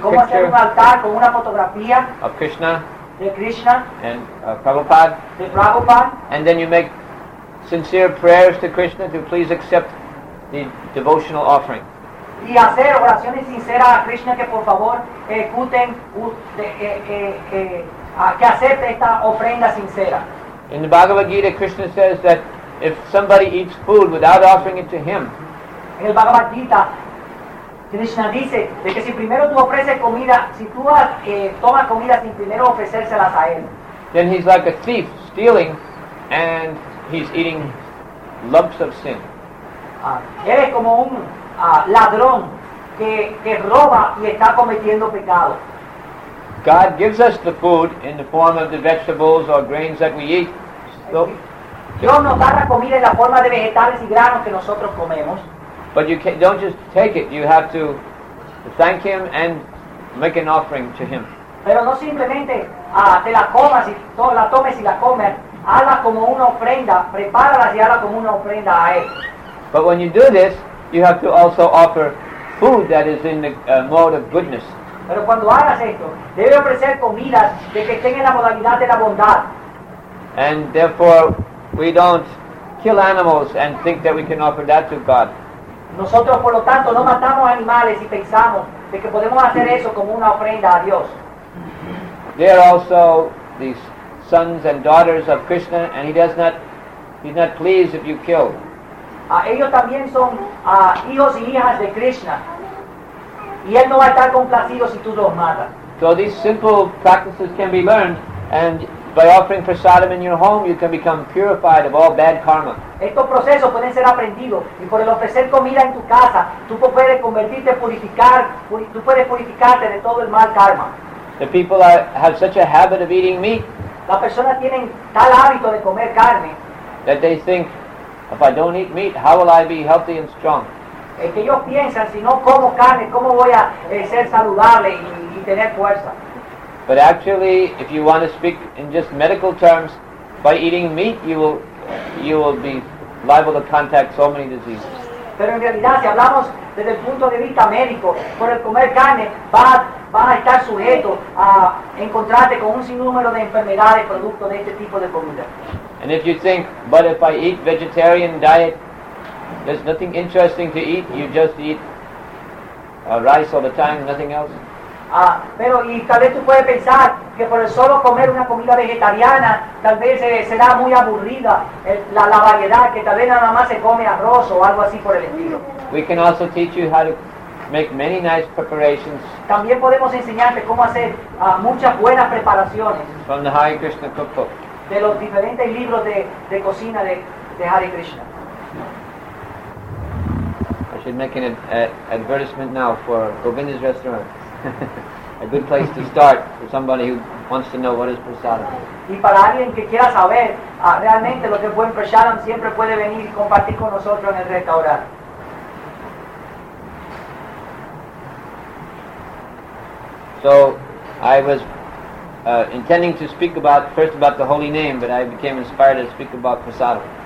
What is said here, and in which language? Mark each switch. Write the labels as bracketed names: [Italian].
[Spanish] ¿Cómo hacer un altar con una fotografía? [English] Of Krishna. [Spanish] De Krishna. [English] And Prabhupada. [Spanish] De Prabhupada. [English] And then you make sincere prayers to Krishna to please accept the devotional offering. [Spanish] Y hacer oraciones sinceras a Krishna que por favor escuchen que acepte esta ofrenda sincera. [English] In the Bhagavad Gita, Krishna says that if somebody eats food without offering it to him, [Spanish] en el Bhagavad Gita, Krishna dice de que si primero tú ofreces comida, si tú tomas comida sin primero ofrecérselas a él, [English] then he's like a thief stealing and he's eating lumps of sin. [Spanish] Él es como un ladrón que roba y está cometiendo pecado. [English] God gives us the food in the form of the vegetables or grains that we eat. So, [Spanish] Dios nos da la comida en la forma de vegetales y granos que nosotros comemos. [English] But you can't, don't just take it. You have to thank Him and make an offering to Him. [Spanish] Pero no simplemente te la comas y la tomes y la comes. Hazla como una ofrenda. Prepáralas y hazla como una ofrenda a Él. [English] But when you do this, you have to also offer food that is in the mode of goodness. [Spanish] Pero cuando hagas esto, debe ofrecer comidas de que estén en la modalidad de la bondad. [English] And therefore, we don't kill animals and think that we can offer that to God. [Spanish] Nosotros, por lo tanto, no matamos animales y pensamos de que podemos hacer eso como una ofrenda a Dios. [English] They are also these sons and daughters of Krishna, and he's not pleased if you kill. [Spanish] Ellos también son hijos y hijas de Krishna. Y él no va a estar complacido si tú los matas. [English] So these simple practices can be learned, and by offering prasadam in your home, you can become purified of all bad karma. [Spanish] Estos procesos pueden ser aprendidos, y por el ofrecer comida en tu casa, tú puedes convertirte, tú puedes purificarte de todo el mal karma. [English] The people have such a habit of eating meat. [Spanish] Las personas tienen tal hábito de comer carne. [English] That they think, if I don't eat meat, how will I be healthy and strong? [Spanish] Es que ellos piensan, si no como carne, ¿cómo voy a ser saludable y tener fuerza? [English] But actually, if you want to speak in just medical terms, by eating meat, you will be liable to contact so many diseases. [Spanish] Pero en realidad, si hablamos desde el punto de vista médico, por el comer carne, vas a estar sujeto a encontrarte con un sinnúmero de enfermedades producto de este tipo de comida. [English] And if you think, but if I eat vegetarian diet, there's nothing interesting to eat, you just eat rice all the time, nothing else. [Spanish] Pero y tal vez tú puedes pensar que por el solo comer una comida vegetariana, tal vez será muy aburrida la variedad, que tal vez nada más se come arroz o algo así por el estilo. [English] We can also teach you how to make many nice preparations. [Spanish] También podemos enseñarte cómo hacer muchas buenas preparaciones. [English] From the Hare Krishna cookbook. [Spanish] De los diferentes libros de cocina de Hare Krishna. [English] Making an advertisement now for Govinda's restaurant. A good place to start for somebody who wants to know what is prasadam. [Spanish] Y para alguien que quiera saber realmente lo que es buen prasadam, siempre puede venir y compartir con nosotros en el restaurante. [English] So I was intending to speak about first about the holy name, but I became inspired to speak about prasadam.